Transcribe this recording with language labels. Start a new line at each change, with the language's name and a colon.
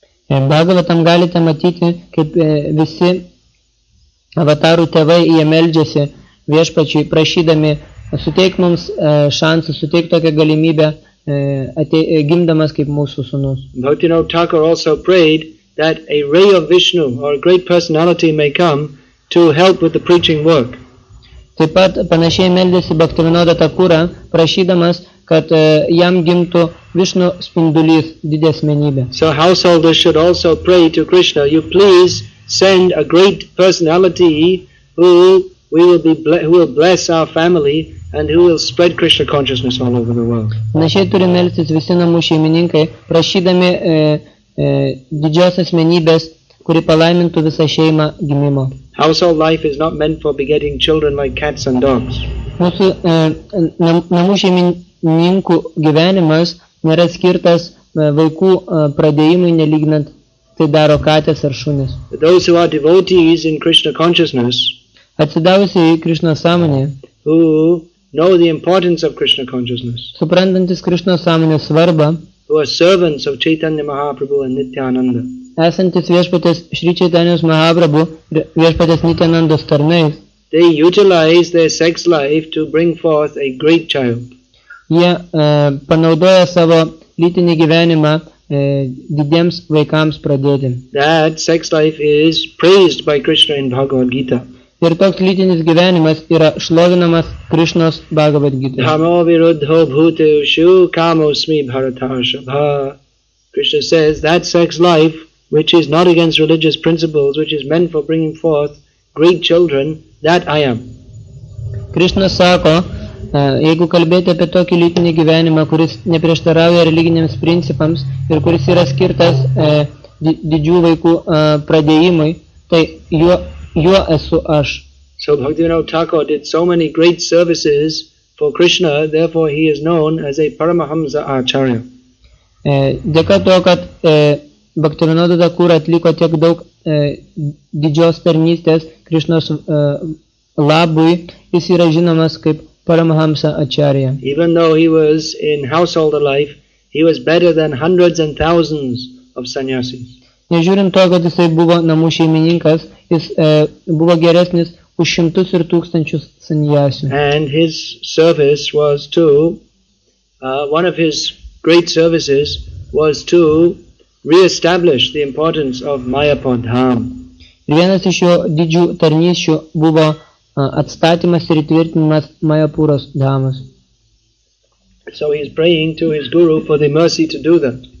Lithuanian: Bhagavatam galite matyti, kaip visi avatarų tėvai jie meldžiasi Viešpačiui, prašydami suteik mums šansą, suteik tokią galimybę gimdamas kaip mūsų sūnus.
English: Bhaktivinoda Thakur also prayed that a ray of Vishnu or a great personality may come to help with the preaching work.
Lithuanian: Taip pat panašiai meldėsi Bhaktivinoda Thakura, prašydamas, kad jam gimtų Vishnu spindulys didesmenybė.
English: So householders should also pray to Krishna, you please send a great personality who will bless our family and who will spread Krishna consciousness all over the world.
Lithuanian: Panašiai turi melstis visi namų šeimininkai, prašydami didžios asmenybės, kuri palaimintų visą šeimą gimimo.
English: Household life is not meant for begetting children like cats and dogs.
Lithuanian: Mūsų namų šeimininkų gyvenimas nėra skirtas vaikų pradėjimui, nelyginant tai daro katės ar šunis.
English: Those who are devotees in Krishna consciousness,
Lithuanian: atsidavusi į Krishna sąmonę,
English: who know the importance of Krishna consciousness,
Lithuanian: suprantantis Krishna sąmonės svarbą,
English: who are servants of Chaitanya Mahaprabhu and Nityananda,
Lithuanian: esantis viešpatės Šri Čaitanijos Mahaprabhu ir viešpatės Nityanandos tarnais,
English: they utilize their sex life to bring forth a great child.
Lithuanian: Jie panaudoja savo lytinį gyvenimą didiems vaikams pradėti.
English: That sex life is praised by Krishna in Bhagavad Gita.
Lithuanian: Ir toks lytinis gyvenimas yra šlovinamas Krishnos Bhagavad Gita.
Sanskrit: Dhamo virudho bhuteshu kamosmi bharatashabha.
English: Krishna says that sex life, which is not against religious principles, which is meant for bringing forth great children, that I am.
Lithuanian: Krishna sako, jeigu kalbėti apie tokį lytinį gyvenimą, kuris neprieštarauja religiniams principams ir kuris yra skirtas didžių vaikų pradėjimui, tai juo esu aš.
English: So Bhaktivinoda Thakur did so many great services for Krishna, therefore he is known as a Paramahamsa Acharya.
Lithuanian: Dėka to, kad Bhaktivinoda Thakur atliko tiek daug didžios tarnystės Krishnos labui, jis yra žinomas kaip Paramahamsa Acharya.
English: Even though he was in householder life, he was better than hundreds and thousands of sannyasis.
Lithuanian: Nežiūrint to, kad jisai buvo namų šeimininkas, jis buvo geresnis už šimtus ir tūkstančius sannyasių.
English: And his service was to, one of his great services was to re-establish the importance of Mayapur Dham.
Lithuanian: Ir vienas iš jo didžių tarnysčių buvo atstatymas ir įtvirtinimas Mayapuros Dhamas.
English: So he is praying to his guru for the mercy to do that.